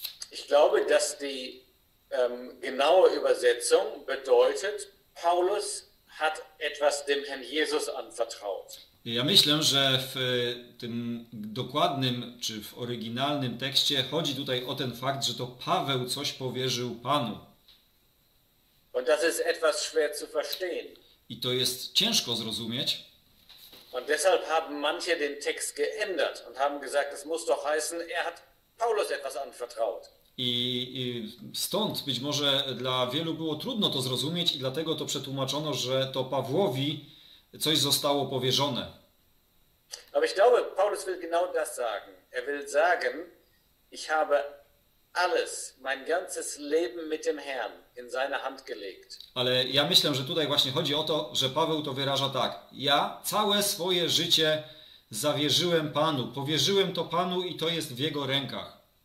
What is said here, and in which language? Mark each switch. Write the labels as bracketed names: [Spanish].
[German] Ich glaube, dass die genaue Übersetzung bedeutet, Paulus hat etwas dem Herrn Jesus anvertraut. [Polish] Ja myślę, że w tym dokładnym czy w oryginalnym tekście chodzi tutaj o ten fakt, że to Paweł coś powierzył Panu. [German] Und das ist etwas schwer zu verstehen. [Polish] I to jest ciężko zrozumieć. [German] Und deshalb haben manche den Text geändert und haben gesagt, es muss doch heißen, er hat Paulus etwas anvertraut. [Polish] I stąd być może dla wielu było trudno to zrozumieć i dlatego to przetłumaczono, że to Pawłowi coś zostało powierzone. [German] Aber ich glaube, Paulus will genau das sagen. Er will sagen, ich habe alles, mein ganzes Leben mit dem Herrn in seine Hand gelegt. [Polish] Ale ja myślę, że tutaj właśnie chodzi o to, że Paweł to wyraża tak. Ja całe swoje życie zawierzyłem Panu, powierzyłem to Panu i to jest w jego rękach.